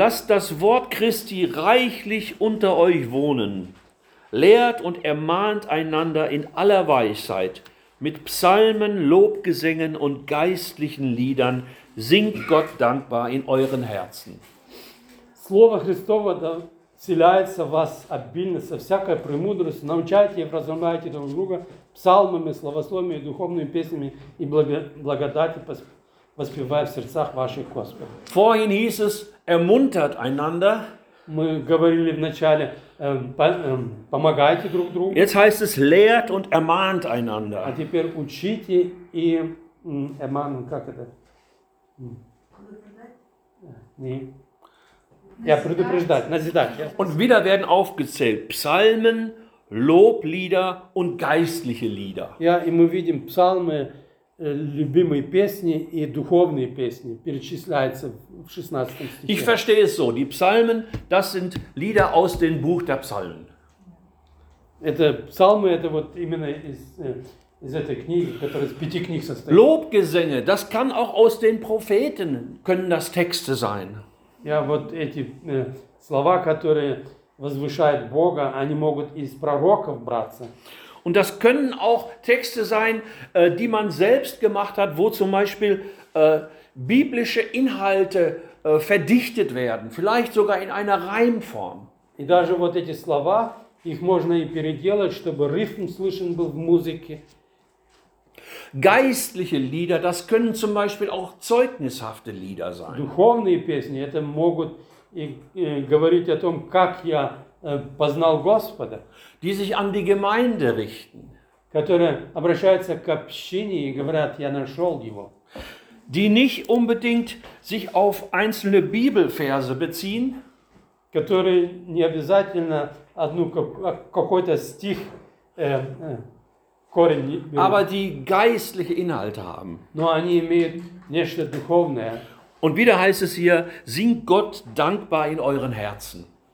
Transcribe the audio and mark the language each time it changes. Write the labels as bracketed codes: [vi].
[de] Lasst das Wort Christi reichlich unter euch wohnen. Lehrt und ermahnt einander in aller Weisheit. Mit Psalmen, Lobgesängen und geistlichen Liedern singt Gott dankbar in euren Herzen. [ru] Слово Христово да вселяется в вас обильно со всякой премудростью. Научайте и вразумляйте друг друга псалмами, словословиями, духовными песнями и благодати, воспевая в сердцах ваших Господа. [de] Vorhin hieß es, ermuntert einander. [ru] Мы говорили вначале, помогайте друг другу. [de] Jetzt heißt es, lehrt und ermahnt einander. [ru] А теперь учите и ermahnen, как это? Не. Ja, предупреждать, назидать. [de] Und wieder werden aufgezählt Psalmen, Loblieder und geistliche Lieder. [ru] Ja, и мы видим псалмы, любимые песни и духовные песни, перечисляется в 16 стихе. [de] Ich verstehe es so, die Psalmen, das sind Lieder aus dem Buch der Psalmen. [ru] Это псалмы, это вот именно из этой книги, которая из пяти книг состоит. [de] Лобгесänge, das kann auch aus den Propheten, können das Texte sein. [ru] Ja, вот эти слова, которые возвышают Бога, они могут из пророков браться. [de] Und das können auch Texte sein, die man selbst gemacht hat, wo zum Beispiel biblische Inhalte verdichtet werden, vielleicht sogar in einer Reimform. [ru] И даже вот эти слова, их можно и переделать, чтобы рифм слышен был в музыке. [de] Geistliche Lieder, das können zum Beispiel auch zeugnishafte Lieder sein. [ru] Духовные песни, это могут говорить о том, как я познал Господа. [de] Die sich an die Gemeinde richten. [ru] Которые обращаются к общине и говорят, я нашел его. [de] Die nicht unbedingt sich auf einzelne Bibelverse beziehen. [ru] Которые не обязательно одну какой-то стих [de] aber die geistliche Inhalte haben. Und wieder heißt es hier, singt Gott dankbar in euren Herzen.